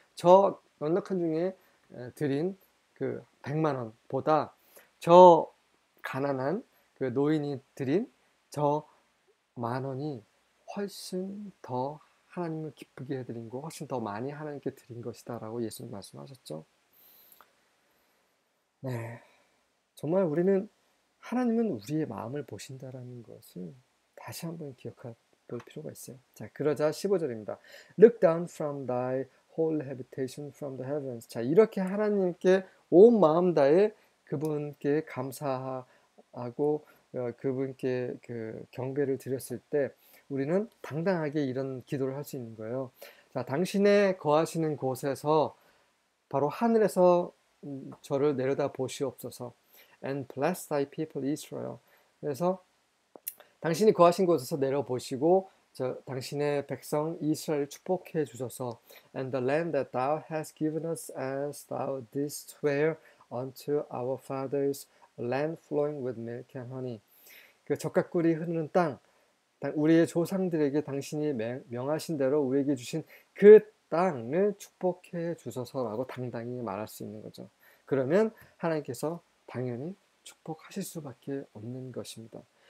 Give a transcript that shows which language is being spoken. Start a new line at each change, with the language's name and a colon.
Korean: 저 넉넉한 중에 드린 그 100만 원보다 저 가난한 그 노인이 드린 저만 원이 훨씬 더 하나님을 기쁘게 해드린 거 훨씬 더 많이 하나님께 드린 것이다 라고 예수님 말씀하셨죠. 네, 정말 우리는 하나님은 우리의 마음을 보신다라는 것을 다시 한번 기억할 필요가 있어요. 자, 그러자 15절입니다.
English: Look down from thy whole habitation from the heavens.
Korean: 자, 이렇게 하나님께 온 마음 다해 그분께 감사하고 그분께 그 경배를 드렸을 때 우리는 당당하게 이런 기도를 할수 있는 거예요. 자, 당신의 거하시는 곳에서 바로 하늘에서 저를 내려다 보시옵소서.
English: And bless thy people Israel.
Korean: 그래서 당신이 거하신 곳에서 내려 보시고 당신의 백성 이스라엘을 축복해 주소서.
English: And the land that thou hast given us as thou didst swear unto our fathers, a land flowing with milk and honey.
Korean: 그 적과 꿀이 흐르는 땅 우리의 조상들에게 당신이 명하신 대로 우리에게 주신 그 땅을 축복해 주소서라고 당당히 말할 수 있는 거죠. 그러면 하나님께서 당연히 축복하실 수밖에 없는 것입니다.